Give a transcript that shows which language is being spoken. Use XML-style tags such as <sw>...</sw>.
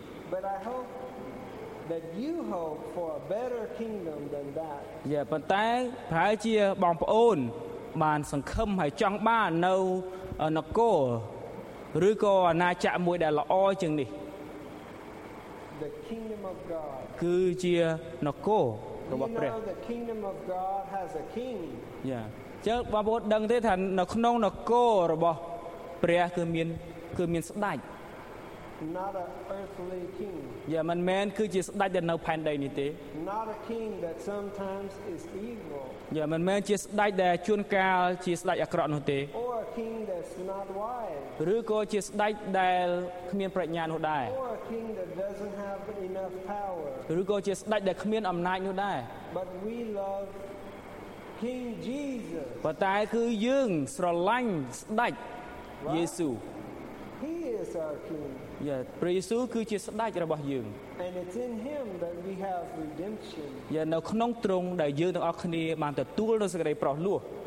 <en>But I hope that you hope for a better kingdom than that.</en> <km>យ៉ាប៉ុន្តែប្រហែលជាបងប្អូនបានសង្ឃឹមហើយចង់បាននៅនគរឬក៏អាណាចក្រមួយដែលល្អជាងនេះ</km> <en>The kingdom of God.</en> <km>គឺជានគររបស់ព្រះ</km> <en>The kingdom of God has a king.</en> <km>យ៉ាចឹងបងប្អូនដឹងទេថានៅក្នុងនគររបស់ព្រះគឺមានស្ដេច</km> <en>Not an earthly king.</en> <km>Yeah, មិនមែនគឺជាស្ដេចដែលនៅផែនដីនេះទេ.</km> <en>Not a king that sometimes is evil.</en> <km>Yeah, មិនមែនជាស្ដេចដែលជួនកាលជាស្ដេចអាក្រក់នោះទេ.</km> <en>Or a king that's not wise.</en> <km>ឬក៏ជាស្ដេចដែលគ្មានប្រាជ្ញានោះដែរ</km> <en>Or a king that doesn't have enough power.</en> <km>ឬក៏ជាស្ដេចដែលគ្មានអំណាចនោះដែរ</km> <en>But we love King Jesus.</en> <km>ប៉ុន្តែគឺយើងស្រឡាញ់ស្ដេចយេស៊ូវ</km> <en>He is our king.</en> <km>Yeah, ព្រះយេស៊ូវគឺជាស្ដេចរបស់យើង</km> <en>And it's in him that we have redemption.</en> <km>យ៉ាងនៅក្នុងទ្រង់ដែលយើងទាំងអស់គ្នាបានទទួលនូវសេចក្តីប្រោសលោះ</km>